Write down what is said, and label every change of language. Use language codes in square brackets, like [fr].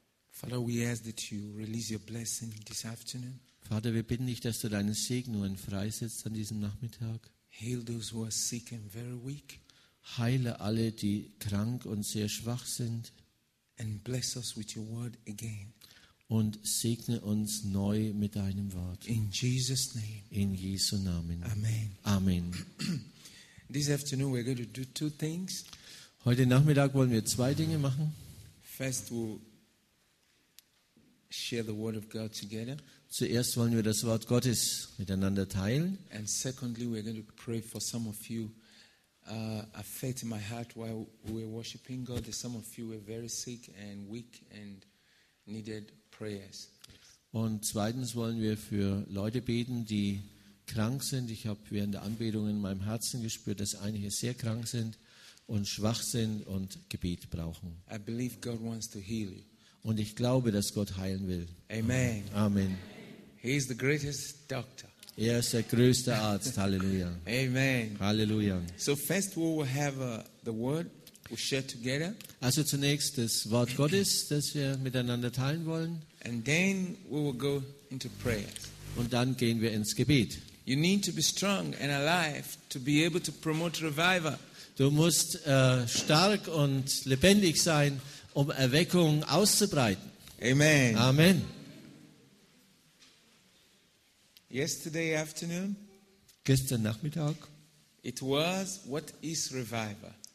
[en] Father, we ask that you release your blessing this afternoon. [de] Vater, wir bitten dich, dass du deine Segnungen freisetzt an diesem Nachmittag. [en] Heal those who are sick and very weak. [de] Heile alle, die krank und sehr schwach sind. [en] And bless us with your word again. [de] Und segne uns neu mit deinem Wort. [en] In Jesus' name. [de] In Jesu Namen. Amen. Amen. [en] This afternoon we're going to do two things. [de] Heute Nachmittag wollen wir zwei Dinge machen. [en] First, we'll share the word of God together. [de] Zuerst wollen wir das Wort Gottes miteinander teilen. [en] And secondly, we're going to pray for some of you. I felt in my heart while we were worshiping God that some of you were very sick and weak and needed prayers. [de] Und zweitens wollen wir für Leute beten, die krank sind. Ich habe während der Anbetung in meinem Herzen gespürt, dass einige sehr krank sind und schwach sind und Gebet brauchen. [en] I believe God wants to heal you. [de] Und ich glaube, dass Gott heilen will. Amen. Amen. [en] He is the greatest doctor. [de] Er ist der größte Arzt. Halleluja. Amen. Halleluja. [en] So first we will have the word we'll share together. [de] Also zunächst das Wort Gottes, das wir miteinander teilen wollen. [en] And then we will go into prayers. [de] Und dann gehen wir ins Gebet. [en] You need to be strong and alive to be able to promote revival. [de] Du musst stark und lebendig sein, um Erweckung auszubreiten. Amen. Amen. [en] Yesterday afternoon, [de] gestern Nachmittag, [en] it was what is revival?